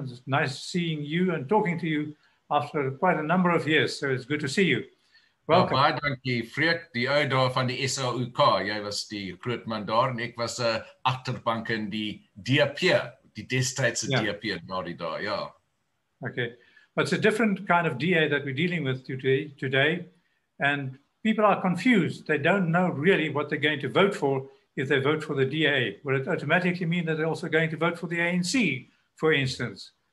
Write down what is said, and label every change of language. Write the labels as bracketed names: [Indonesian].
[English] It's nice seeing you and talking to you after quite a number of years. So it's good to see you. Welcome. [Afrikaans] Baie dankie, Freek, die ou daar van die SAUK. Jy was die groot man daar en ek was 'n agterbank in die DAP, die destydse DAP na die daar, ja. [English] Okay. But it's a different kind of DA that we're dealing with today. And people are confused. They don't know really what they're going to vote for. If they vote for the DA, will it automatically mean that they're also going to vote for the ANC, for instance?